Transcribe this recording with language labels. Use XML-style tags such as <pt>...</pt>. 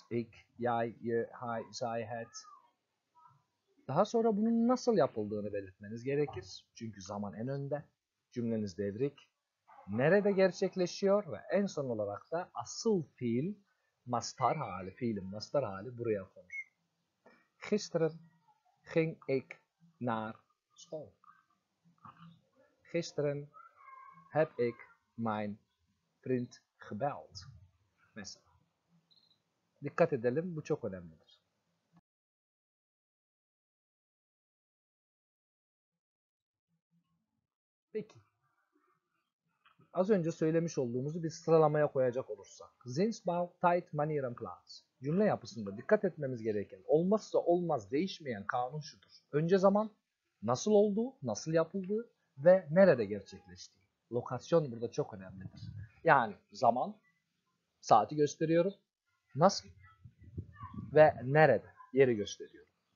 <nl>Ik, jij, je, hij, zij, het.</nl> <tr>Daha sonra bunun nasıl yapıldığını belirtmeniz gerekir. Çünkü zaman en önde. Cümleniz devrik. nerede gerçekleşiyor ve en son olarak da asıl fiil mastar hali, fiilin mastar hali buraya konur.</tr> <nl>Gisteren ging ik naar school. Gisteren heb ik mijn vriend gebeld.</nl> <tr>Mesela. Dikkat edelim, bu çok önemlidir. Peki. Az önce söylemiş olduğumuzu bir sıralamaya koyacak olursak.</tr> <nl>Zins, bau, tait, manier, plaats.</nl> <tr>Cümle yapısında dikkat etmemiz gereken, olmazsa olmaz değişmeyen kanun şudur. Önce zaman, nasıl oldu, nasıl yapıldı ve nerede gerçekleşti. Lokasyon burada çok önemlidir. Yani zaman, saati gösteriyorum, nasıl ve nerede, yeri gösteriyorum.</tr>